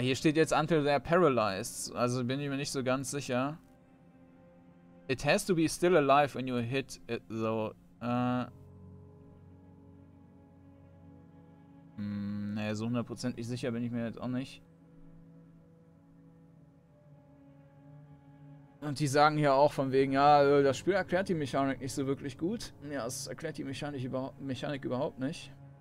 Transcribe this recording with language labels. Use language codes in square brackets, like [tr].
[de] Hier steht jetzt [en] until they're paralyzed. [de] Also bin ich mir nicht so ganz sicher. [en] It has to be still alive when you hit it, though. [de] Naja, so hundertprozentig sicher bin ich mir jetzt auch nicht. Und die sagen hier auch von wegen, ja, das Spiel erklärt die Mechanik nicht so wirklich gut. Ja, es erklärt die Mechanik überhaupt nicht.